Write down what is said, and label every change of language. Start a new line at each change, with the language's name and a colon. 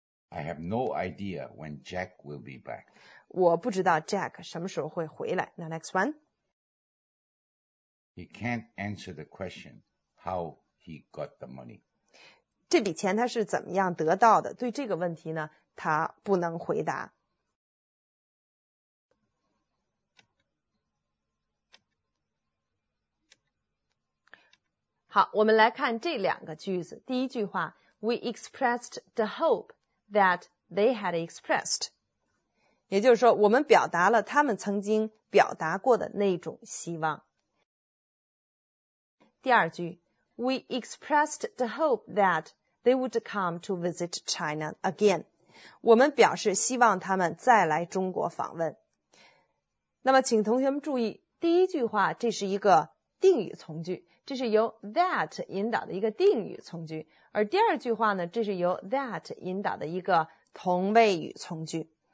English: I have no idea when Jack will be back.
Chinese: 我不知道 Jack 什么时候会回来。
English: Now next one, He can't answer the question how he got the money.
Chinese: 这笔钱他是怎么样得到的，对这个问题呢他不能回答。好，我们来看这两个句子。第一句话
English: ,we expressed the hope that they had expressed.
Chinese: 也就是说我们表达了他们曾经表达过的那种希望。第二句
English: ,we expressed the hope that they would come to visit China again.
Chinese: 我们表示希望他们再来中国访问。那么请同学们注意，第一句话这是一个定语从句，这是由 that 引导的一个定语从句，而第二句话呢，这是由 that 引导的一个同位语从句。